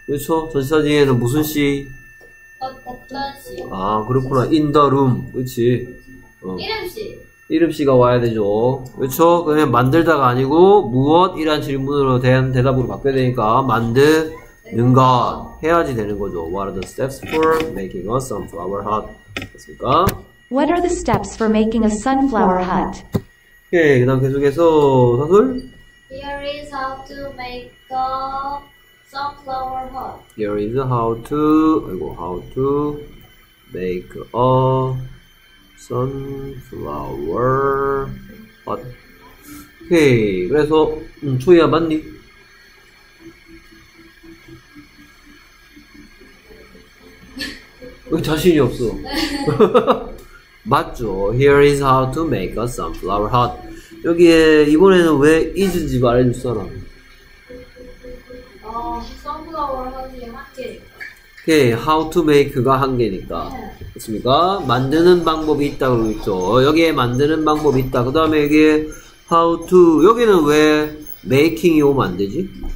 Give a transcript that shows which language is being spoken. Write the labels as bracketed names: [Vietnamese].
[Korean] 그렇죠? 전치사 뒤에는 무슨 시? 어떤 시? 아 그렇구나. [English] In the room. [Korean] 그렇지. 이름씨가 와야 되죠. 그렇죠? 그러면 만들다가 아니고 무엇이란 질문으로 대답으로 바뀌어야 되니까 만드는 것 해야지 되는 거죠. [English] What are the steps for making a sunflower hut? [Korean] 됐습니까? [English] What are the steps for making a sunflower hut? [Korean] 오케이, 그 다음 계속해서 사술. [English] Here is how to make a sunflower hut. Here is how to, 아이고, how to make a sunflower hut. [Korean] Okay, 그래서 초이야 맞니? 왜 자신이 없어? 맞죠. [English] Here is how to make a sunflower hut. [Korean] 여기에 이번에는 왜 is인지 말해줄 사람. Sunflower hut이 한 개니까. Okay, how to make가 한 개니까. 있습니까? 만드는 방법이 있다 그러겠죠. 여기에 만드는 방법이 있다. 그 다음에 여기에 how to 여기는 왜 making이 오면 안 되지?